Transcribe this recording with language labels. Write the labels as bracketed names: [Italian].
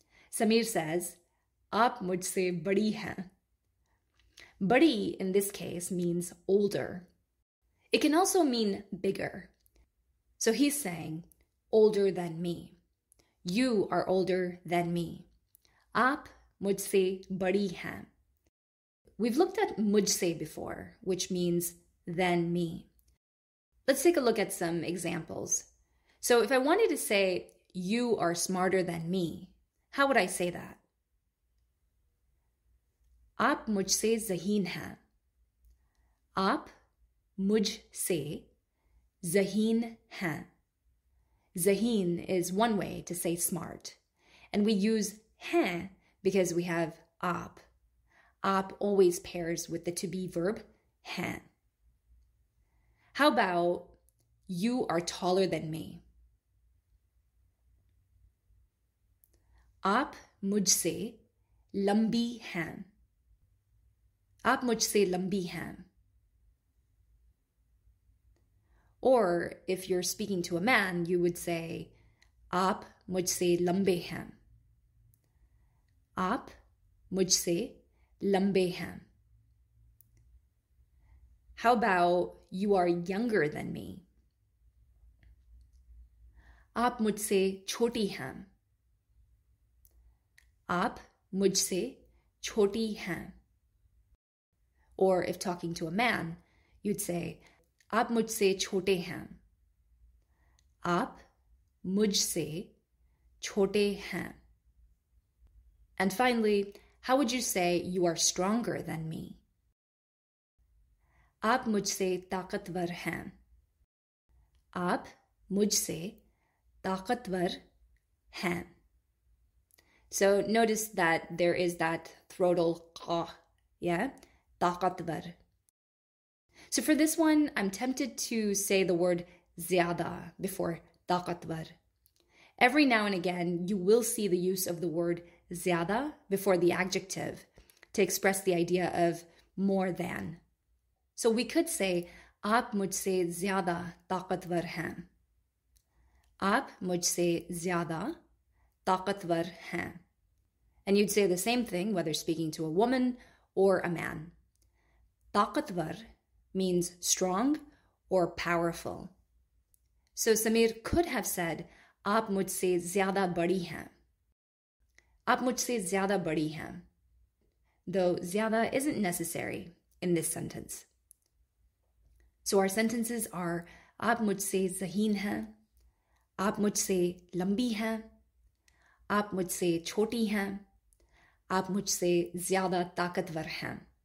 [English] Samir says, [Urdu] aap mujhse badi hain. [English] Badi, in this case, means older. It can also mean bigger. So he's saying, older than me. You are older than me. [Urdu] آپ مجھ سے بڑی ہیں. [English] We've looked at mujhse before, which means than me. Let's take a look at some examples. So if I wanted to say, you are smarter than me, how would I say that? [Urdu] آپ مجھ سے ذہین ہیں. آپ مجھ سے ذہین ہیں. [English] Zaheen is one way to say smart. And we use hain because we have aap. Aap always pairs with the to-be verb hain. How about you are taller than me? [Urdu] آپ مجھ سے لمبی ہیں. آپ مجھ سے لمبی ہیں. [English] Or if you're speaking to a man, you would say, [Urdu] aap mujhse lambe hain. آپ مجھ سے لمبے ہیں. [English] How about you are younger than me? [Urdu] آپ مجھ سے چھوٹی ہیں. آپ مجھ سے چھوٹی ہیں. [English] Or if talking to a man, you'd say, [Urdu] aap mujhse chote hain. آپ مجھ سے چھوٹے ہیں. [English] And finally, how would you say you are stronger than me? [Urdu] آپ مجھ سے طاقتور ہیں. آپ مجھ سے طاقتور ہیں. [English] So notice that there is that throatal qa, yeah? [Urdu] طاقتور. [English] So for this one, I'm tempted to say the word ziyada before taqatwar. Every now and again, you will see the use of the word ziyada before the adjective to express the idea of more than. So we could say, [Urdu] aap mujhse ziyada taqatwar hain. آپ مجھ سے زیادہ طاقتور ہیں. [English] And you'd say the same thing whether speaking to a woman or a man. Taqatwar means strong or powerful. So Samir could have said, [Urdu] آپ مجھ سے زیادہ بڑی ہیں. آپ مجھ سے زیادہ بڑی ہیں. [English] Though zyada isn't necessary in this sentence. So our sentences are, [Urdu] aap mujhse zaheen hain. آپ مجھ سے لمبی ہیں. آپ مجھ سے چھوٹی ہیں. آپ مجھ سے زیادہ طاقتور ہیں.